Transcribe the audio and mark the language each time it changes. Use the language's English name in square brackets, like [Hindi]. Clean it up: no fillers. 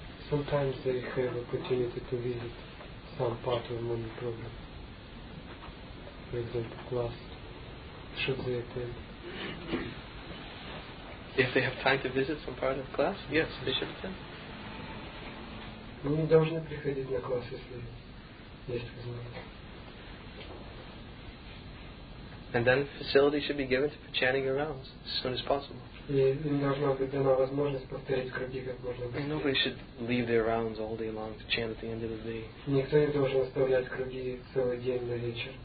[English] Sometimes they have opportunity to visit some part of the morning program. For example, class. Should they attend? If they have time to visit some part of class, yes, they should attend. [Russian] Вы не должны приходить на класс, если есть возможность. [English] And then facility should be given for chanting your rounds as soon as possible. And nobody should leave their rounds all day long to chant at the end of the day.